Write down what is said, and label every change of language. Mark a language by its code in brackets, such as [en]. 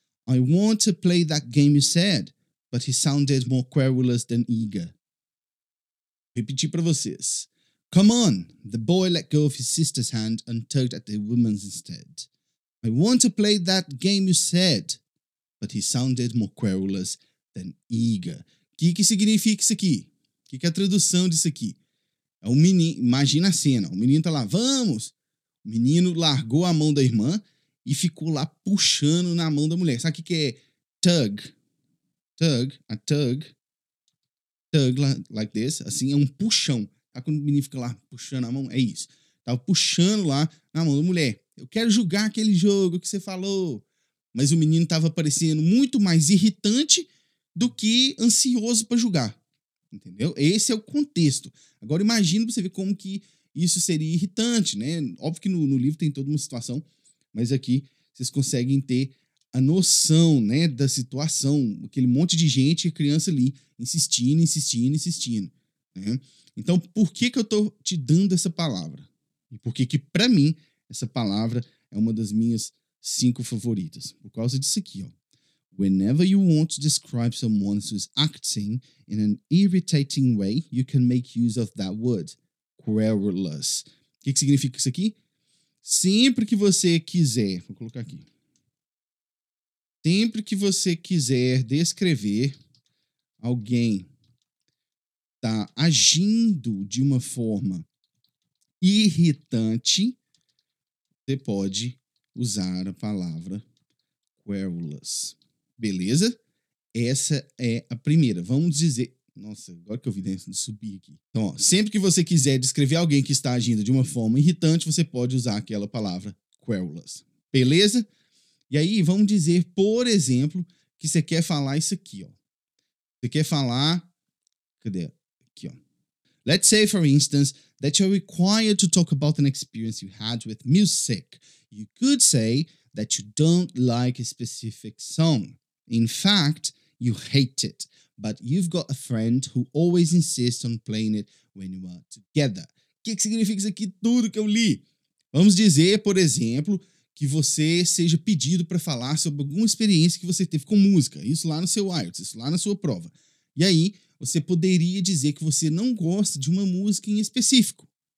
[en] I want to play that game you said, but he sounded more querulous than eager. [pt] Repeti para vocês. [en] Come on, the boy let go of his sister's hand and tugged at the woman's instead. I want to play that game you said, but he sounded more querulous than eager. [pt] O que, que significa isso aqui? O que é a tradução disso aqui? É um menino, imagina a cena, o menino tá lá, vamos! O menino largou a mão da irmã e ficou lá puxando na mão da mulher. Sabe o que é tug? Tug, a tug. Tug, [en] like this. [pt] Assim, é um puxão. Sabe quando o menino fica lá puxando a mão? É isso. Tava puxando lá na mão da mulher. Eu quero julgar aquele jogo que você falou. Mas o menino tava parecendo muito mais irritante do que ansioso para julgar. Entendeu? Esse é o contexto. Agora imagina pra você ver como que isso seria irritante, né? Óbvio que no livro tem toda uma situação, mas aqui vocês conseguem ter a noção, né, da situação. Aquele monte de gente e criança ali insistindo. Né? Então, por que que eu tô te dando essa palavra? E por que que, pra mim, essa palavra é uma das minhas 5 favoritas? Por causa disso aqui, ó. [en] Whenever you want to describe someone who is acting in an irritating way, you can make use of that word, querulous. [pt] O que que significa isso aqui? Sempre que você quiser, vou colocar aqui. Sempre que você quiser descrever alguém tá agindo de uma forma irritante, você pode usar a palavra querulous. Beleza? Essa é a primeira. Vamos dizer... Nossa, agora que eu vi dentro, subi aqui. Então, ó, sempre que você quiser descrever alguém que está agindo de uma forma irritante, você pode usar aquela palavra querulous. Beleza? E aí, vamos dizer, por exemplo, que você quer falar isso aqui, ó. Você quer falar... Cadê? Aqui, ó. [en] Let's say, for instance, that you're required to talk about an experience you had with music. You could say that you don't like a specific song. In fact, you hate it. But you've got a friend who always insists on playing it when you are together. [pt] O que significa isso aqui tudo que eu li? Vamos dizer, por exemplo, que você seja pedido para falar sobre alguma experiência que você teve com música. Isso lá no seu IELTS, isso lá na sua prova. E aí, você poderia dizer que você não gosta de uma música em específico.